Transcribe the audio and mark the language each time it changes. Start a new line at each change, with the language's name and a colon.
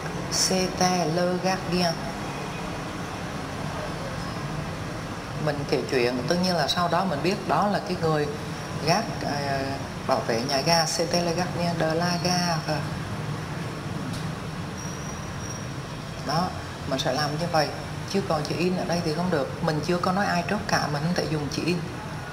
French: C'était le gardien.
Vietnamese: Mình kể chuyện, tất nhiên là sau đó mình biết đó là cái người gác bảo vệ nhà ga.
French: C'était le gardien de la gare.
Vietnamese: Đó, mình sẽ làm như vậy. Chứ còn chữ in ở đây thì không được. Mình chưa có nói ai trước cả, mình không thể dùng chữ in.